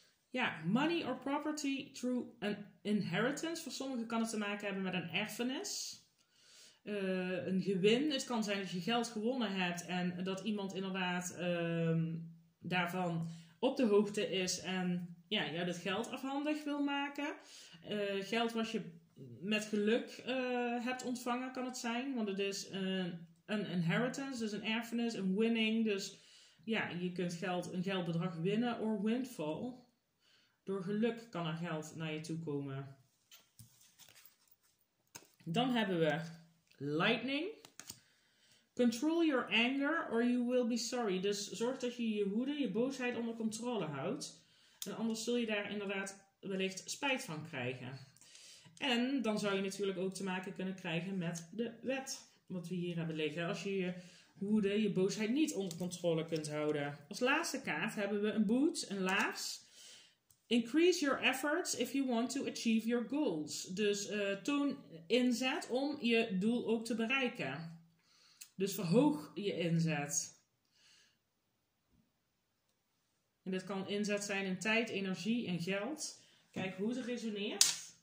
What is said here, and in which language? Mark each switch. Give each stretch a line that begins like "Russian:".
English: Ja, money or property through an inheritance.
Dutch: Voor sommigen kan het te maken hebben met een erfenis. Een gewin. Het kan zijn dat je geld gewonnen hebt en dat iemand inderdaad daarvan op de hoogte is en ja, jou dat geld afhandig wil maken. Geld wat je met geluk hebt ontvangen, kan het zijn. Want het is een inheritance, dus een erfenis, een winning. Dus ja, je kunt geld, een geldbedrag winnen
English: or windfall.
Dutch: Door geluk kan er geld naar je toe komen. Dan hebben we lightning.
English: Control your anger or you will be sorry.
Dutch: Dus zorg dat je je woede, je boosheid onder controle houdt. En anders zul je daar inderdaad wellicht spijt van krijgen. En dan zou je natuurlijk ook te maken kunnen krijgen met de wet. Wat we hier hebben liggen. Als je je woede, je boosheid niet onder controle kunt houden. Als laatste kaart hebben we een boot, een laars.
English: Increase your efforts if you want to achieve your goals.
Dutch: Dus toon inzet om je doel ook te bereiken. Dus verhoog je inzet. En dat kan inzet zijn in tijd, energie en geld. Kijk hoe het resoneert.